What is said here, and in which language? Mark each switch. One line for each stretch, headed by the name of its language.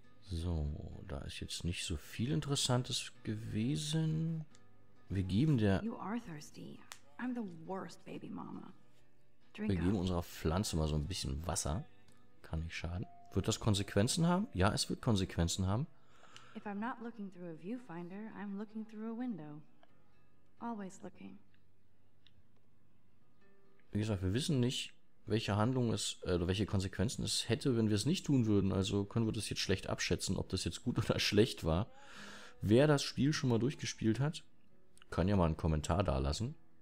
German: So, da ist jetzt nicht so viel Interessantes gewesen. Wir geben der...
English: You are thirsty. I'm the worst baby mama.
German: Wir geben unserer Pflanze mal so ein bisschen Wasser. Kann nicht schaden. Wird das Konsequenzen haben? Ja, es wird Konsequenzen haben.
English: If I'm not looking through a viewfinder, I'm looking through a window. Always looking.
German: Wie gesagt, wir wissen nicht, welche Handlung es oder welche Konsequenzen es hätte, wenn wir es nicht tun würden. Also können wir das jetzt schlecht abschätzen, ob das jetzt gut oder schlecht war. Wer das Spiel schon mal durchgespielt hat, kann ja mal einen Kommentar da lassen.